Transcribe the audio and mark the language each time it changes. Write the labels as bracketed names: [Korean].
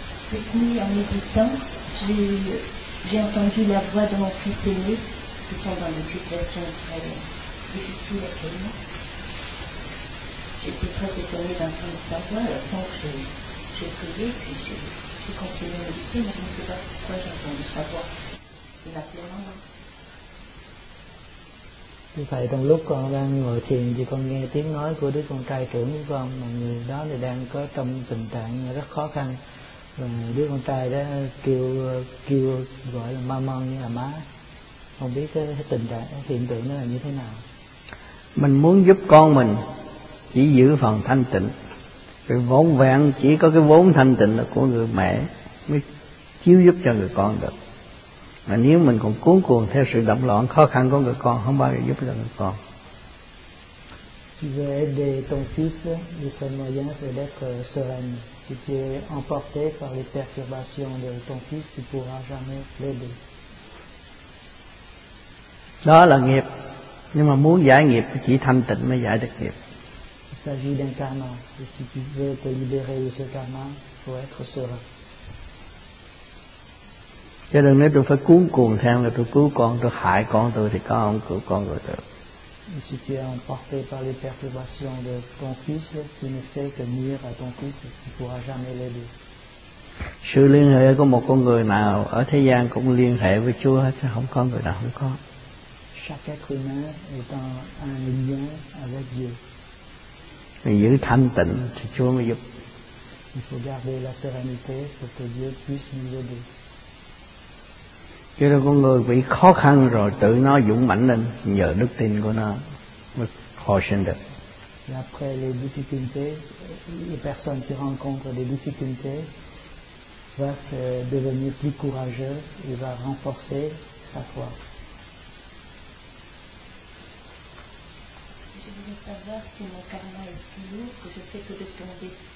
[French] Cette nuit en méditant, j'ai entendu la voix de mon fils aîné qui sont dans une situation très difficile actuellement. J'étais très étonnée d'entendre sa voix, alors donc j'ai prié, puis j'ai continué à méditer, mais je ne sais pas pourquoi j'ai entendu sa voix. C'est la pleine. [Vietnamese] Như vậy trong lúc con đang ngồi thiền thì con nghe tiếng nói của đứa con trai trưởng của con, mà người đó thì đang có trong tình trạng rất khó khăn, và đứa con trai đó kêu gọi là mama như là má, không biết cái tình trạng cái hiện tượng nó là như thế nào. Mình muốn giúp con mình chỉ giữ phần thanh tịnh, cái vốn vẹn chỉ có cái vốn thanh tịnh là của người mẹ mới chiếu giúp cho người con được. Mà nếu mình còn cuống cuồng theo sự động loạn khó khăn của người con, không bao giờ giúp được người con. [French] Tu veux aider ton fils, le seul moyen c'est d'être serein. Si tu es emporté par les perturbations de ton fils, tu pourras jamais l'aider. [Vietnamese] Đó là nghiệp, nhưng mà muốn giải nghiệp chỉ thanh tịnh mới giải được nghiệp. [French] Il s'agit d'un karma. Et si tu veux te libérer de ce karma, faut être serein. [Vietnamese] Chứ đừng nói tôi phải cuốn cuồng theo là tôi cứu con, tôi hại con tôi thì có ông cứu con rồi được. [French] Si tu es emporté par les perturbations de ton fils, tu ne fais que nuire à ton fils, tu ne pourras jamais l'aider. [Vietnamese] Sự liên hệ của một con người nào ở thế gian cũng liên hệ với Chúa hết, chứ không có người nào không có. [French] Chaque être humain est en un lien avec Dieu. [Vietnamese] Mình giữ thanh tịnh thì Chúa mới giúp. [French] Il faut garder la sérénité pour que Dieu puisse nous aider. [Vietnamese] Chứ là con người bị khó khăn rồi tự nó dũng mãnh lên nhờ đức tin của nó mới hồi sinh được. [French] Et après les difficultés, les personnes qui rencontrent des difficultés va se devenir plus courageux et va renforcer sa foi. Je voulais savoir si mon karma est plus lourd que je fais que de tomber.